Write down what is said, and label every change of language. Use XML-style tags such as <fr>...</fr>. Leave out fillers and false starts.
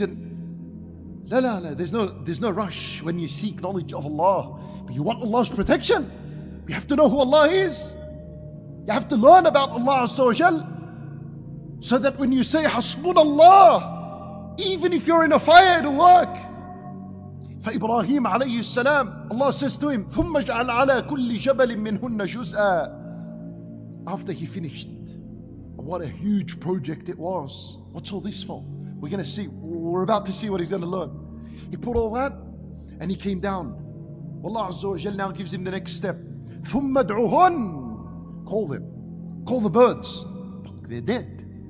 <en>And la, there's no rush when you seek knowledge of Allah. But you want Allah's protection. You have to know who Allah is. You have to learn about Allah Azza wa Jal, so that when you say Hasbunallah, even if you're in a fire, it'll work.</en> <ar>فإبراهيم عليه السلام,</ar> <en>Allah says to him,</en> <ar>ثم اجعل على كل جبل منهن جزءا.</ar> <en>After he finished, what a huge project it was. What's all this for? We're about to see what he's going to learn. He put all that and he came down. Allah Azza wa Jal now gives him the next step.</en> <ar>ثم ادعوهن.</ar> <en>Call them. Call the birds. They're dead.</en>